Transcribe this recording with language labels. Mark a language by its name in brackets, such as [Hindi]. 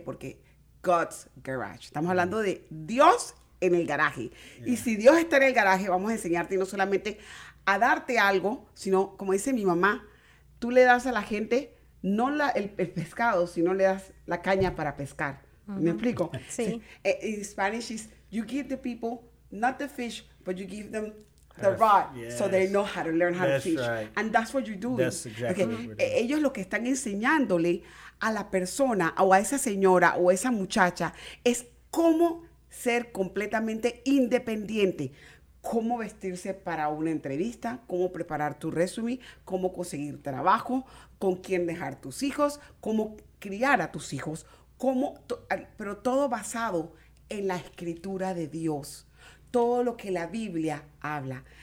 [Spanish] Porque God's Garage. Estamos hablando de Dios en el garaje. Y si Dios está en el garaje, vamos a enseñarte no solamente a darte algo, sino, como dice mi mamá, tú le das a la gente no el pescado, sino le das la caña para pescar. Uh-huh. ¿Me explico? Sí. [English] In Spanish is, you give the people, not the fish, but you give them the rod, so they know how to learn how to fish. Right. And that's what you're doing. That's exactly what we're doing. [Spanish] Ellos lo que están enseñándole a la persona, o a esa señora, o a esa muchacha, es cómo ser completamente independiente. Cómo vestirse para una entrevista, cómo preparar tu resume, cómo conseguir trabajo, con quién dejar tus hijos, cómo criar a tus hijos, pero todo basado en la escritura de Dios, todo lo que la Biblia habla.